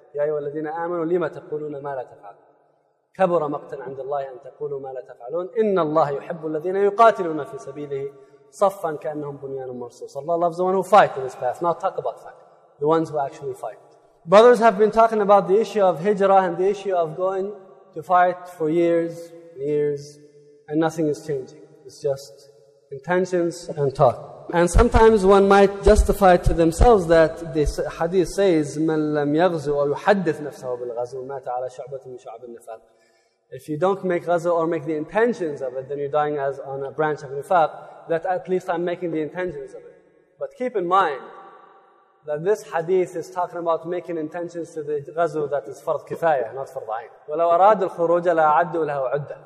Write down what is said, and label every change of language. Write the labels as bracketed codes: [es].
[ar] يَا أَيُّهَا الَّذِينَ آمَنُوا لِمَ تَقُولُونَ مَا لَا تَفْعَلُونَ كَبُرَ مَقْتًا عِنْدَ اللَّهِ أَن تَقُولُوا مَا لَا تَفْعَلُونَ إِنَّ اللَّهَ يُحِبُّ الَّذِينَ يُقَاتِلُونَ فِي سَبِيلِهِ صَفًّا كَأَنَّهُمْ بُنْيَانٌ مَرْصُوصٌ. [en] Allah loves the one who fight in this path, not talk about fight. The ones who actually fight. Brothers have been talking about the issue of hijrah and the issue of going to fight for years and years, and nothing is changing. It's just intentions and talk. And sometimes one might justify to themselves that this hadith says, مَنْ لَمْ يَغْزُ وَيُحَدِّثْ نَفْسَهُ بِالْغَزُ مَاتَ عَلَى شَعْبَةٍ مِنْ شَعْبِ النِّفَاقِ. If you don't make ghazu or make the intentions of it, then you're dying as on a branch of nifaq, that at least I'm making the intentions of it. But keep in mind that this hadith is talking about making intentions to the ghazu that is fard kifayah, not fard ayn. [ar] وَلَوْ أَرَادُ الْخُرُوجَ لَأَعَدُّوا لَهُ عُدَّةً.